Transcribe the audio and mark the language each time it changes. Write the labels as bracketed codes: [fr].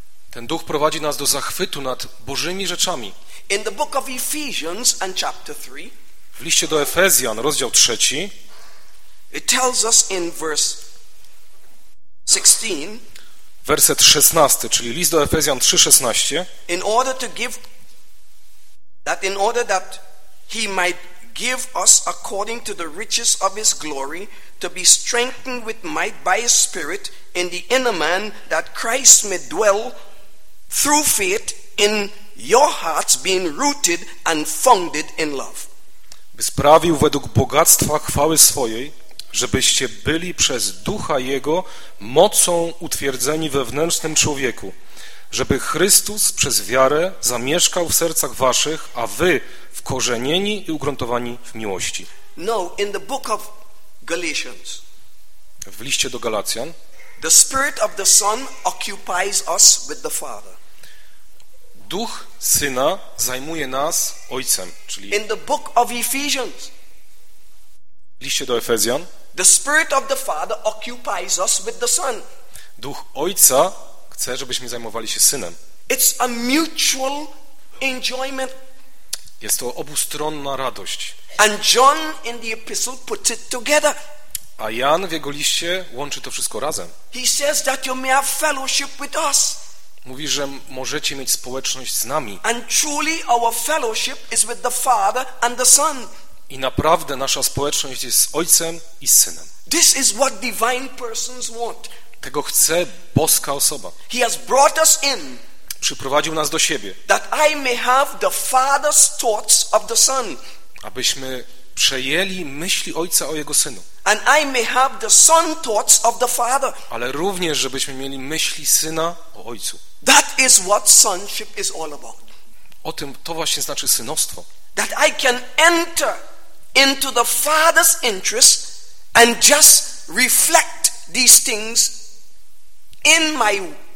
[pl] Ten duch prowadzi nas do zachwytu nad Bożymi rzeczami. [en] In the book of Ephesians and chapter 3. [pl] W liście do Efezjan, rozdział 3. [en] It tells us in verse 16. [pl] Werset 16, czyli list do Efezjan 3:16. [en] In order to give that in order that he might give us according to the riches of his glory to be strengthened with might by his spirit in the inner man that Christ may dwell through faith in your hearts being rooted and founded in love. [pl] By sprawił według bogactwa chwały swojej, żebyście byli przez Ducha Jego mocą utwierdzeni we wnętrznym człowieku, żeby Chrystus przez wiarę zamieszkał w sercach waszych, a wy wkorzenieni i ugruntowani w miłości. [en] No, in the book of Galatians, [pl] w liście do Galacjan, [en] the spirit of the son occupies us with the father. [pl] Duch syna zajmuje nas ojcem, czyli [en] in the book of Ephesians, [pl] w liście do Efezjan, [en] the spirit of the father occupies us with the son. [pl] Duch ojca chce, żebyśmy zajmowali się synem. [en] It's a mutual enjoyment. [pl] Jest to obustronna radość. [en] And John in the epistle puts it together. [pl] A Jan w jego liście łączy to wszystko razem. [en] He says that you may have fellowship with us. [pl] Mówi, że możecie mieć społeczność z nami. [en] And truly our fellowship is with the father and the son. [pl] I naprawdę nasza społeczność jest z ojcem i z synem. [en] This is what divine persons want. [pl] Tego chce boska osoba. [en] He has brought us in. [pl] Przyprowadził nas do siebie. [en] That I may have the father's thoughts of the son. [pl] Abyśmy przejęli myśli ojca o jego synu. [en] And I may have the son thoughts of the father. [pl] Ale również żebyśmy mieli myśli syna o ojcu. [en] That is what sonship is all about. [pl] O tym to właśnie znaczy synostwo. [en] That I can enter into the father's interest and just reflect these things in my